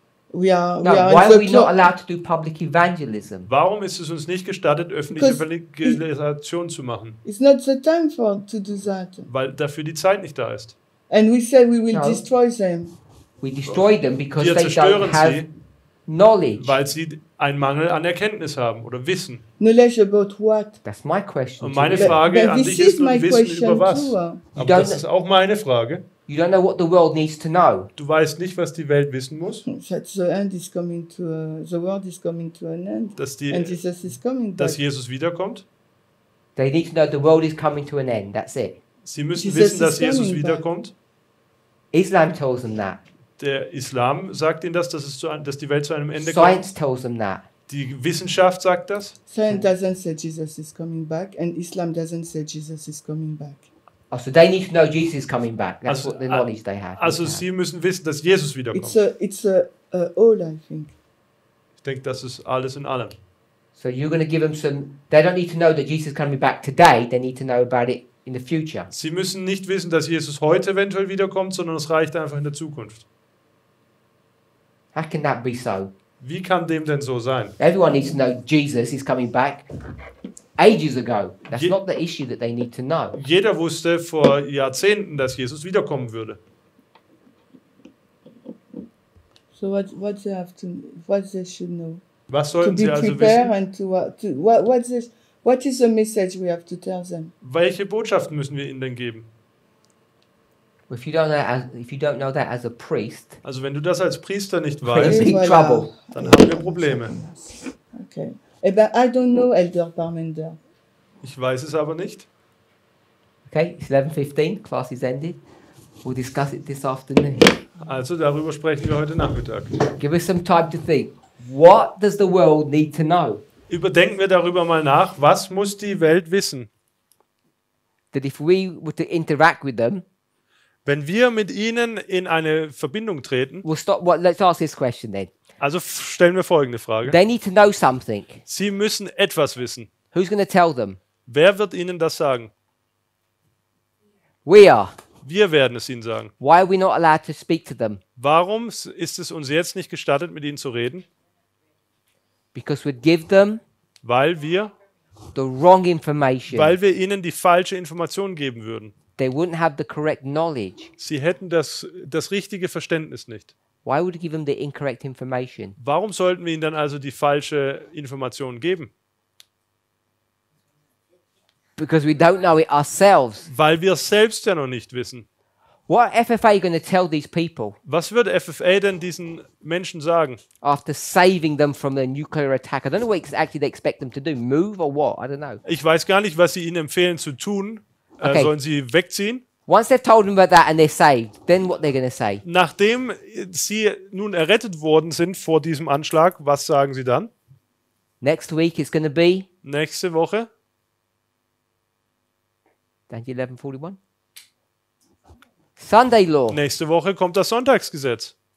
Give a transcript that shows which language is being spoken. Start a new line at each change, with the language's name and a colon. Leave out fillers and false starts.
English: why are we not allowed to do public evangelism?
German: Warum ist es uns nicht gestattet, öffentliche Evangelisation zu machen?
English: It's not the time for to do that.
German: Weil dafür die Zeit nicht da ist.
English: And we said we will destroy them. We destroy them because they don't have knowledge.
German: Weil sie einen Mangel an Erkenntnis haben oder Wissen.
English: Knowledge about what? That's my question.
German: Und meine Frage an dich ist nun Wissen über was? Aber das ist auch meine Frage.
English: You don't know what the world needs to know.
German: Du weißt nicht, was die Welt wissen muss.
English: The world is coming to an end. And Jesus is coming.
German: Dass Jesus wiederkommt.
English: They need to know the world is coming to an end. That's it.
German: Sie müssen wissen, dass Jesus wiederkommt.
English: Islam tells them that.
German: Der Islam sagt ihnen das, dass die Welt zu einem Ende
English: Science Science tells them that.
German: Die Wissenschaft sagt das.
English: Science doesn't say Jesus is coming back, and Islam doesn't say Jesus is coming back. Oh, so they need to know Jesus is coming back. That's what the knowledge they have.
German: Also sie müssen wissen, dass Jesus wiederkommt.
English: It's all, I think.
German: Ich denke, das ist alles in allem.
English: So you're going to give them some... They don't need to know that Jesus is coming back today. They need to know about it in the future.
German: Sie müssen nicht wissen, dass Jesus heute eventuell wiederkommt, sondern es reicht einfach in der Zukunft.
English: How can that be so?
German: Wie kann dem denn so sein?
English: Everyone needs to know Jesus is coming back. Ages ago. That's not the issue that they need to know.
German: Jeder wusste vor Jahrzehnten, dass Jesus wiederkommen würde.
English: So what they should know?
German: Was sollten
English: to be
German: Sie also
English: prepared
German: wissen?
English: And to what, what's this, what is the message we have to tell them?
German: Welche Botschaften müssen wir ihnen denn geben?
English: If you don't know that as, if you don't know that as a priest,
German: also wenn du das als Priester nicht weißt, dann haben wir Probleme.
English: Okay. But I don't know Elder Barmender.
German: Ich weiß es aber nicht.
English: Okay, it's 11:15, class is ended. We'll discuss it this afternoon.
German: Also darüber sprechen wir heute Nachmittag.
English: Give us some time to think. What does the world need to know?
German: Überdenken wir darüber mal nach, was muss die Welt wissen?
English: That if we were to interact with them,
German: wenn wir mit ihnen in eine Verbindung treten,
English: we'll stop, well, let's ask this question then.
German: Also stellen wir folgende Frage.
English: They need to know something.
German: Sie müssen etwas wissen.
English: Who's going to tell them?
German: Wer wird ihnen das sagen?
English: We are.
German: Wir werden es ihnen sagen.
English: Why are we not allowed to speak to them?
German: Warum ist es uns jetzt nicht gestattet, mit ihnen zu reden?
English: Because we'd give them,
German: weil wir
English: the wrong information.
German: Weil wir ihnen die falsche Information geben würden.
English: They wouldn't have the correct knowledge.
German: Sie hätten das richtige Verständnis nicht.
English: Why would we give them the incorrect information?
German: Warum sollten wir ihnen dann also die falsche Information geben?
English: Because we don't know it ourselves.
German: Weil wir es selbst ja noch nicht wissen.
English: What are FFA going to tell these people?
German: Was wird FFA denn diesen Menschen sagen?
English: After saving them from the nuclear attack, I don't know what actually they expect them to do. Move or what? I don't know.
German: Ich weiß gar nicht, was sie ihnen empfehlen zu tun. Okay. Sollen sie wegziehen?
English: Once they've told them about that and they're saved, then what they're going to say?
German: Nachdem sie nun errettet worden sind vor diesem Anschlag, was sagen sie dann?
English: Next week is going to be.
German: Nächste Woche.
English: Daniel 11:41. Sunday law.
German: Nächste Woche kommt das Sonntagsgesetz.